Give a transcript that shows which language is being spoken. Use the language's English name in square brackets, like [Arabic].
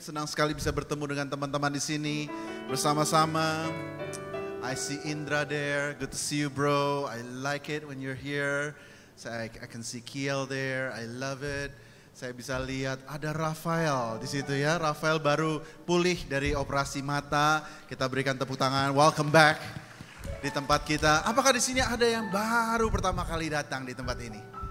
[Indonesian] Senang sekali bisa bertemu dengan teman-teman di sini bersama-sama. [English] I see Indra there. Good to see you, bro. I like it when you're here. I can see Kiel there, I love it. [Indonesian] Saya bisa lihat ada Rafael di situ ya. Rafael baru pulih dari operasi mata. Kita berikan tepuk tangan, welcome back di tempat kita. Apakah di sini ada yang baru pertama kali datang di tempat ini?